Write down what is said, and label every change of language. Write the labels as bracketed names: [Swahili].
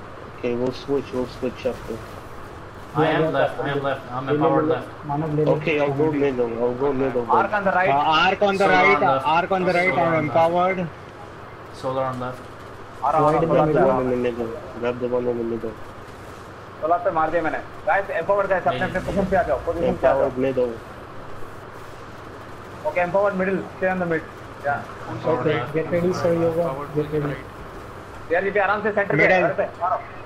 [English] Okay, we'll switch after. I am left. I'm empowered left. Okay, I'll go middle. Arc on the right. Arc on the right. I'm empowered. Solar on left. Grab the one in the middle. [Hindi] Solar पे मार दिया मैंने. [English] Guys, empowered guys, [Hindi] अपने अपने position पे आ जाओ. [English] Empowered middle. Okay, empowered middle. Stay on the mid. Yeah. Okay. Get ready, Seryoga. Get ready. [Hindi] यार ये भी आराम से सेंटर पे घर पे मारो